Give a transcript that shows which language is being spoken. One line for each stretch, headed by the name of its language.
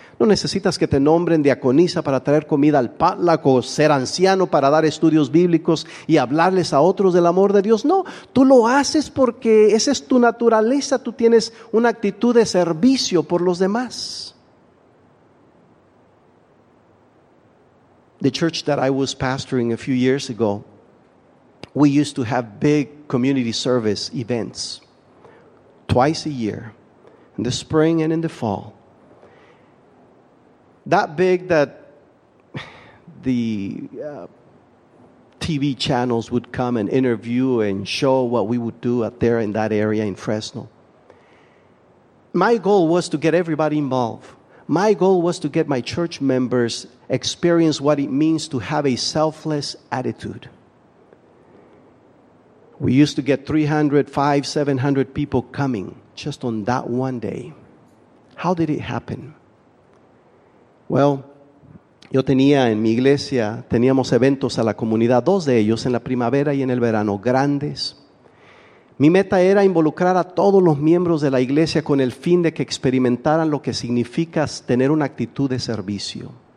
Spanish: No necesitas que te nombren diaconisa para traer comida al potluck o ser anciano para dar estudios bíblicos y hablarles a otros del amor de Dios. No, tú lo haces porque esa es tu naturaleza. Tú tienes una actitud de servicio por los demás.
English: The church that I was pastoring a few years ago, we used to have big community service events twice a year, in the spring and in the fall. That big that the TV channels would come and interview and show what we would do out there in that area in Fresno. My goal was to get everybody involved. My goal was to get my church members experience what it means to have a selfless attitude. We used to get 300, 500, 700 people coming just on that one day. How did it happen?
Spanish: Well, yo tenía en mi iglesia, teníamos eventos a la comunidad, dos de ellos en la primavera y en el verano, grandes. Mi meta era involucrar a todos los miembros de la iglesia con el fin de que experimentaran lo que significa tener una actitud de servicio.